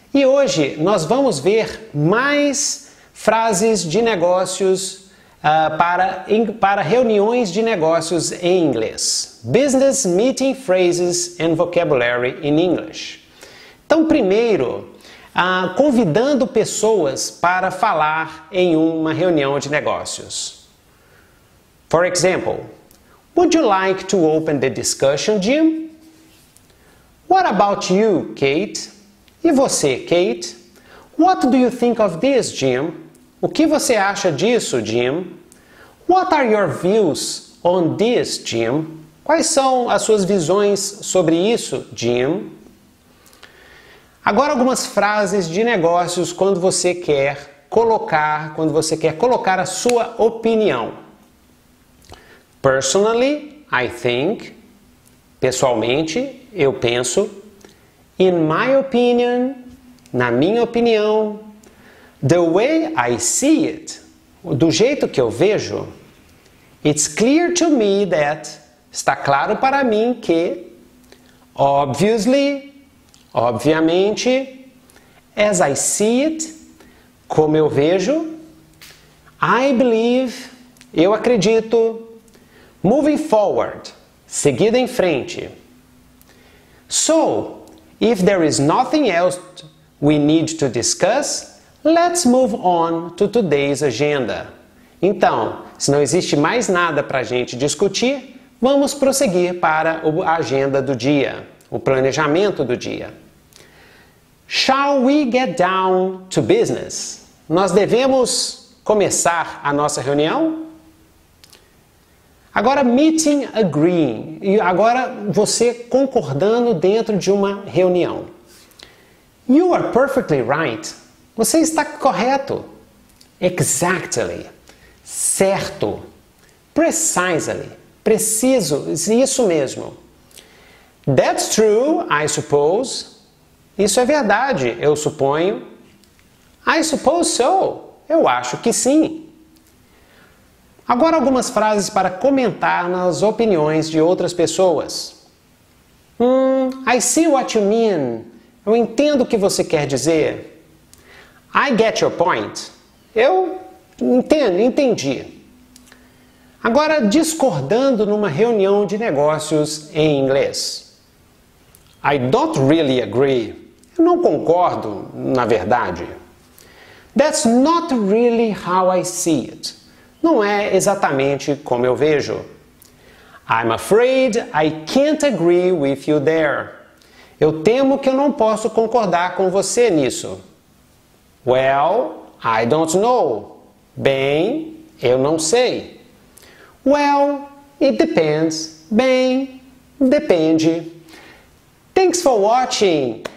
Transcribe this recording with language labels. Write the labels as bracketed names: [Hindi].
[Portuguese] E hoje nós vamos ver mais frases de negócios para reuniões de negócios em inglês. [English] Business Meeting Phrases and Vocabulary in English. [Portuguese] Então, primeiro, convidando pessoas para falar em uma reunião de negócios. [English] For example, would you like to open the discussion, Jim? What about you, Kate? [Portuguese] E você, Kate? [English] What do you think of this, Jim? [Portuguese] O que você acha disso, Jim? [English] What are your views on this, Jim? [Portuguese] Quais são as suas visões sobre isso, Jim? Agora algumas frases de negócios quando você quer colocar a sua opinião. [English] Personally, I think. [Portuguese] Pessoalmente, eu penso. [English] In my opinion, [Portuguese] na minha opinião. [English] The way I see it, [Portuguese] do jeito que eu vejo. [English] It's clear to me that, [Portuguese] está claro para mim que, [English] obviously, [Portuguese] obviamente, [English] as I see it, [Portuguese] como eu vejo, [English] I believe, [Portuguese] eu acredito, [English] moving forward, [Portuguese] seguida em frente. [English] So, if there is nothing else we need to discuss, let's move on to today's agenda. [Portuguese] Então, se não existe mais nada para a gente discutir, vamos prosseguir para a agenda do dia, o planejamento do dia. [English] Shall we get down to business? [Portuguese] Nós devemos começar a nossa reunião? [English] Agora, meeting agreeing. [Portuguese] E agora, você concordando dentro de uma reunião. [English] You are perfectly right. [Portuguese] Você está correto. [English] Exactly. [Portuguese] Certo. [English] Precisely. [Portuguese] Preciso. Isso mesmo. [English] That's true, I suppose. [Portuguese] Isso é verdade, eu suponho. [English] I suppose so. [Portuguese] Eu acho que sim. Agora algumas frases para comentar nas opiniões de outras pessoas. [English] I see what you mean. [Portuguese] Eu entendo o que você quer dizer. [English] I get your point. [Portuguese] Eu entendi. Agora, discordando numa reunião de negócios em inglês. [English] I don't really agree. [Portuguese] Eu não concordo, na verdade. [English] That's not really how I see it. [Portuguese] Não é exatamente como eu vejo. [English] I'm afraid I can't agree with you there. [Portuguese] Eu temo que eu não posso concordar com você nisso. [English] Well, I don't know. [Portuguese] Bem, eu não sei. [English] Well, it depends. [Portuguese] Bem, depende. [English] Thanks for watching.